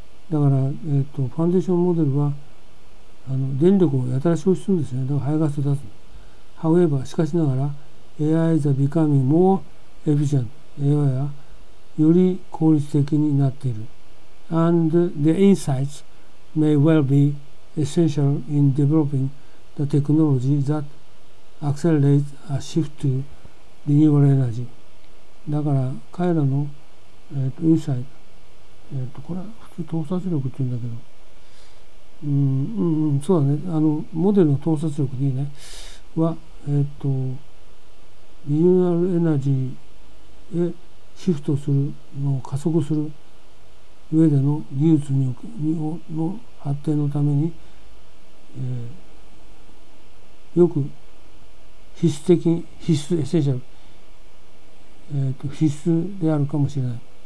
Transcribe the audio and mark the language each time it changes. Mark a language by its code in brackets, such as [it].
[ja] だから、ファンデーションモデルは、電力をやたら消費するんですね。だから、排ガスを出す。 [en] However、 [ja] しかしながら、 [en] AI is becoming more efficient。 [ja] AI は、より効率的になっている。 [en] And the insights may well be essential in developing the technology that accelerates a shift to renewable energy。 [ja] だから、彼らの、インサイト、これは普通洞察力って言うんだけど、そうだね、モデルの洞察力でいいね、は、リニューアルエナジーへシフトするのを加速する上での技術の発展のために、よく必須的、必須エッセンシャル、必須であるかもしれない。